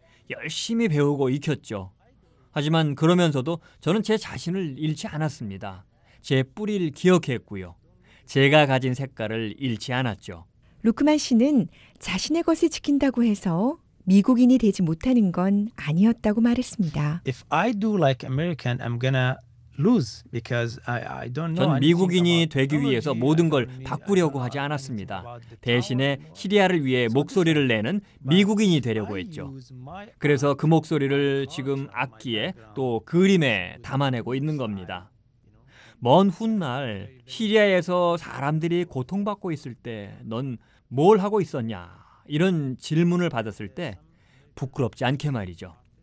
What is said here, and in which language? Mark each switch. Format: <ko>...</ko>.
<ko>열심히 배우고 익혔죠. 하지만 그러면서도 저는 제 자신을 잃지 않았습니다. 제 뿌리를 기억했고요. 제가 가진 색깔을 잃지 않았죠. 루크만 씨는 자신의 것을 지킨다고 해서 미국인이 되지 못하는 건 아니었다고 말했습니다.</ko> <en>If I do like American, I'm gonna lose because I don't know.</en> <ko>전 미국인이 되기 위해서 모든 걸 바꾸려고 하지 않았습니다. 대신에 시리아를 위해 목소리를 내는 미국인이 되려고 했죠. 그래서 그 목소리를 지금 악기에 또 그림에 담아내고 있는 겁니다. 먼 훗날 시리아에서 사람들이 고통받고 있을 때 넌 뭘 하고 있었냐 이런 질문을 받았을 때 부끄럽지 않게 말이죠.</ko>